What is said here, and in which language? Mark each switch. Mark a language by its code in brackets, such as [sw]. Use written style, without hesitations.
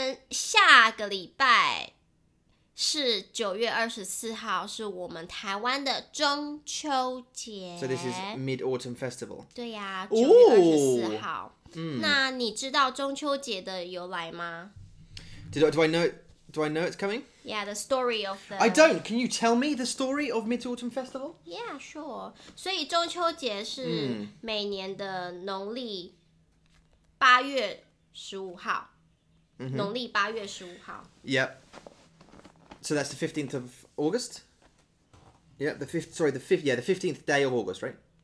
[zh] 下个礼拜。是9月24号是我们台湾的中秋节。 [en] So this is Mid-Autumn Festival. [zh] 对呀、啊、,9 月24号。 Ooh, 那你知道中秋节的由来吗 [en] Do I know it's coming? Yeah, the story of the... I don't! Can you tell me the story of Mid-Autumn Festival? Yeah, sure. [zh] 所以中秋节是每年的农历8月15号。农历8月15号。 [en] Yep. So that's the 15th of August? Yeah, the 15th day of August, right?